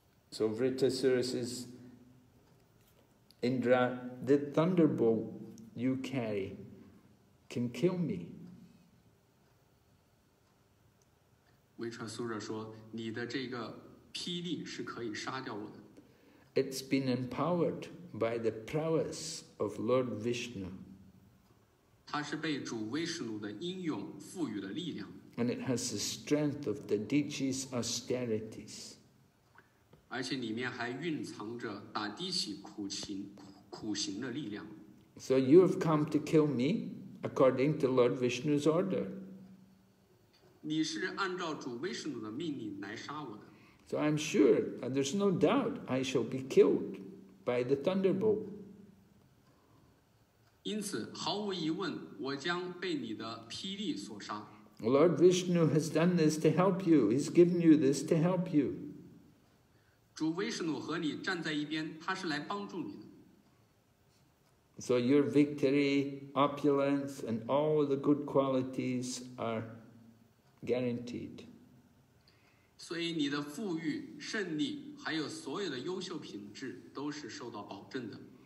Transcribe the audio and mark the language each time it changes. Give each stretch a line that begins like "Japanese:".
English: So Vritasura says, Indra, the thunderbolt. You carry can kill me.
Chinese: 威彻苏拉说：“你的这个霹雳是可以杀掉我的。”
English: It's been empowered by the prowess of Lord Vishnu.
Chinese: 它是被主威士努的英勇赋予的力量。
English: And it has the strength of the Dichi's austerities.
Chinese: 而且里面还蕴藏着打Dichi苦行的力量。
English: So you have come to kill me, according to Lord Vishnu's order. So I'm sure, and there's no doubt, I shall be killed by the thunderbolt.
Chinese: 因此, 毫无疑问, 我将被你的霹雳所伤。
English: Lord Vishnu has done this to help you. He's given you this to help you.
Chinese: 主 Vishnu 和你站在一边, 他是来帮助你的。
English: So your victory, opulence, and all the good qualities are guaranteed.
Chinese: 所以你的富裕, 胜利, 还有所有的优秀品质都是受到保证的。